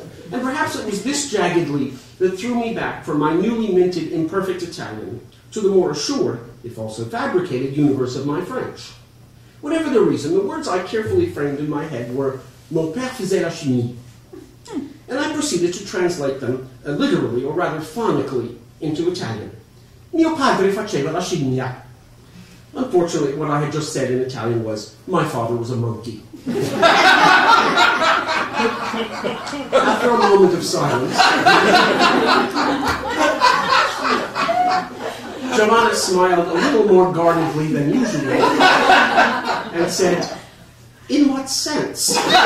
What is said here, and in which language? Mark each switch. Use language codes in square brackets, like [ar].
[en] And perhaps it was this jagged leap that threw me back from my newly minted imperfect Italian to the more assured, if also fabricated, universe of my French. Whatever the reason, the words I carefully framed in my head were [fr] mon père faisait la chimie. [en] And I proceeded to translate them literally, or rather phonically, into Italian. [it] Mio padre faceva la scimmia. [en] Unfortunately, what I had just said in Italian was, my father was a monkey. After a moment of silence, Giovanna smiled a little more guardedly than usual and said, in what sense?